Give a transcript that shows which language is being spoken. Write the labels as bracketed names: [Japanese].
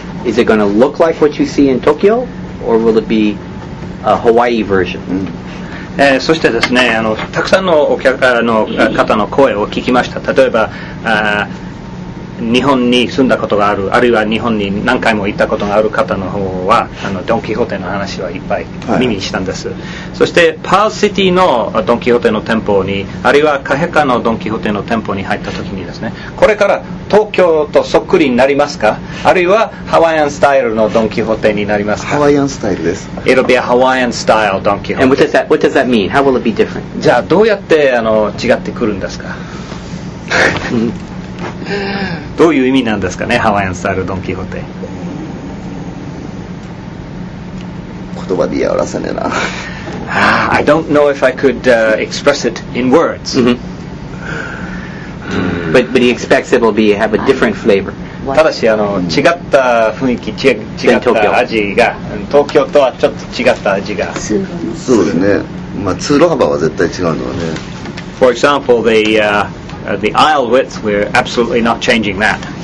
[English] Is it going to look like what you see in Tokyo, or will it be a Hawaii version? [Japanese] そしてですね、あのたくさんのお客の方の声を聞きました。例えば、日本に住んだことがある、あるいは日本に何回も行ったことがある方の方は、あのドン・キホーテの話はいっぱい耳にしたんです、はい、そしてパールシティのドン・キホーテの店舗に、あるいはカヘカのドン・キホーテの店舗に入った時にですね、これから東京とそっくりになりますか、あるいはハワイアンスタイルのドン・キホーテになりますか。ハワイアンスタイルです。 [English] It'll be a Hawaiian style ドン・キホーテ。 And what does that mean? How will it be different? [Japanese] じゃあどうやってあの違ってくるんですか。どういう意味なんですかね、ハワイアンスタイルドン・キホーテ。言葉で言い表せねえな。 [English] I don't know if I could express it in words. But he expects it will be, have a different flavor. [Japanese] ただしあの違った雰囲気、違った味が、東京とはちょっと違った味が。そうですね。まあ通路幅は絶対違うのはね。 [English] For example, the aisle width, we're absolutely not changing that.